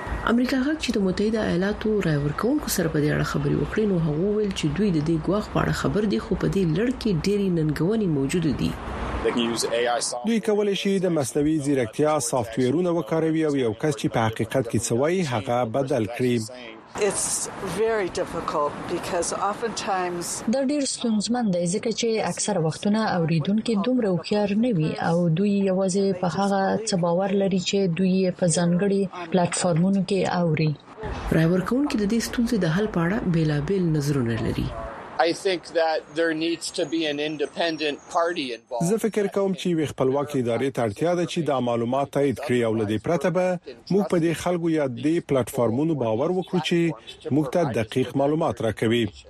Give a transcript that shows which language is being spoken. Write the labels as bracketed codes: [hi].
[ps] امریکا غږ چې د متحده ایالاتو رای ورکونکو سره په دې اړه خبرې وکړي نو هغه وویل چې دوی د دې ګواښ په اړه خبر دي خو په دې لړ کې ډېرې ننګونې موجود دي. دوی کولی شي د مصنوعي ځیرکتیا سافټویرونه وکاروي او یو کس چې په حقیقت کې څه وایي هغه بدل کړي. [en] It's very difficult because oftentimes [ps] د ډیر ستونزمن دی ځکه چې اکثره وختونه اوریدونکو دومره خيار نه وي او دوی یوازې په هغه څه باور لري چې دوی په ځانګړي پلیټ فارمونو کې اوري. ډرایور کون کې د دې ستونزې د حل پاړه بیلابل نظرونه لري. [en] I think that there needs to be an independent party involved. [ps] زه فکر کوم چې وی خپلواکي ادارې ته اړتیا ده چې د معلوماتو تایید کړي او لدی پرته به موږ په دې خلکو یا دې پلیټ فارمونو باور وکړو چې موږ ته دقیق معلومات راکوي.